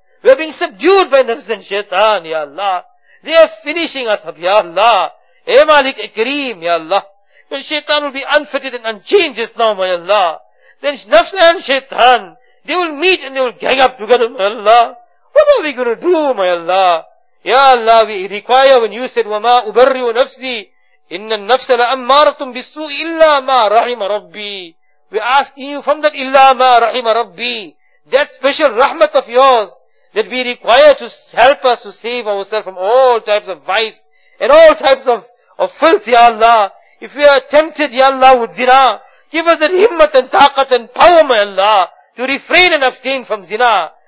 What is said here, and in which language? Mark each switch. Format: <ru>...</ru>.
<en>We are being subdued by nafs and shaitan, Ya Allah. They are finishing us up, Ya Allah. Ya Malik Akreem, Ya Allah. When shaitan will be unfitted and unchained just now, Ya Allah. Then nafs and shaitan, they will meet and they will gang up together, Ya Allah. What are we going to do, Ya Allah? Ya Allah, we require when you said,</en> <ar>وَمَا أُبَرِّيُ نَفْسِي إِنَّ النَّفْسَ لَأَمَّارَةٌ بِالسُّوءِ إِلَّا مَا رَحِمَ رَبِّي.</ar> <en>We ask you from that,</en> <ar>إِلَّا مَا رَحِمَ رَبِّي.</ar> <en>That special rahmat of yours, that we require to help us to save ourselves from all types of vice and all types of filth, Ya Allah. If we are tempted, Ya Allah, with zina, give us that himmat and taqat and power, Ya Allah, to refrain and abstain from zina.</en>